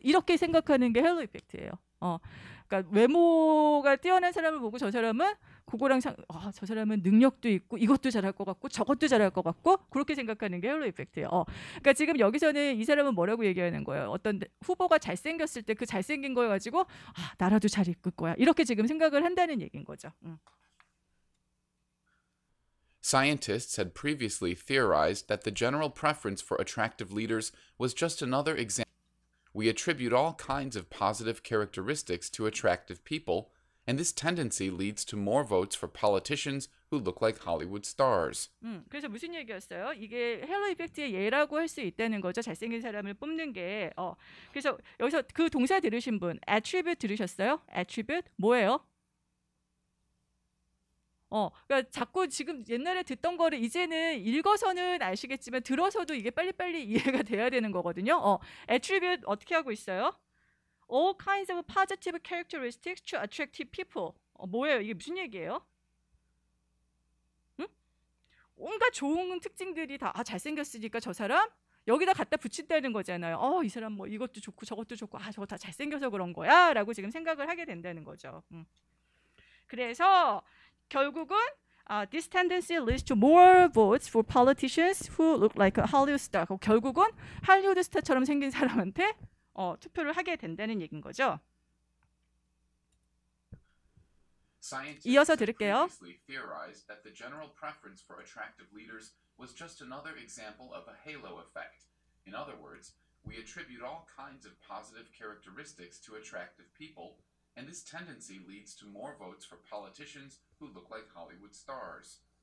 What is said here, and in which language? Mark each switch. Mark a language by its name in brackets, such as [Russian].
[Korean] 이렇게 생각하는 게 헬로 이펙트예요. 그러니까 외모가 뛰어난 사람을 보고 저 사람은 그거랑 저 사람은 능력도 있고 이것도 잘할 것 같고 저것도 잘할 것 같고 그렇게 생각하는 게 헬로 이펙트예요. 그러니까 지금 여기서는 이 사람은 뭐라고 얘기하는 거예요? 어떤 후보가 잘생겼을 때 그 잘생긴 거 가지고 나라도 잘 이끌 거야. 이렇게 지금 생각을 한다는 얘기인 거죠. [English] Scientists had previously theorized that the general preference for attractive leaders was just another example. We attribute all kinds of positive characteristics to attractive people, and this tendency leads to more votes for politicians who look like Hollywood stars. [Korean] 그래서 무슨 얘기였어요? 이게 헬로 이펙트의 예라고 할 수 있다는 거죠. 잘생긴 사람을 뽑는 게. 그래서 여기서 그 동사 들으신 분, attribute 들으셨어요? attribute 뭐예요? 그러니까 자꾸 지금 옛날에 듣던 거를 이제는 읽어서는 아시겠지만 들어서도 이게 빨리빨리 이해가 돼야 되는 거거든요. attribute 어떻게 하고 있어요? [English] All kinds of positive characteristics to attractive people. [Korean] 뭐예요? 이게 무슨 얘기예요? 응? 온갖 좋은 특징들이 다 잘생겼으니까 저 사람? 여기다 갖다 붙인다는 거잖아요. 이 사람 뭐 이것도 좋고 저것도 좋고 저거 다 잘생겨서 그런 거야 라고 지금 생각을 하게 된다는 거죠. 그래서 결국은 [English] this tendency leads to more votes for politicians who look like a Hollywood star. [Korean] 결국은 할리우드 스타처럼 생긴 사람한테 투표를 하게 된다는 얘긴 거죠. 이어서 들을게요. [English] Theorized that the general preference for attractive leaders was just another example of a halo effect. In other words, we attribute all kinds of positive characteristics to attractive people. And this tendency leads to more votes for politicians who look like Hollywood stars.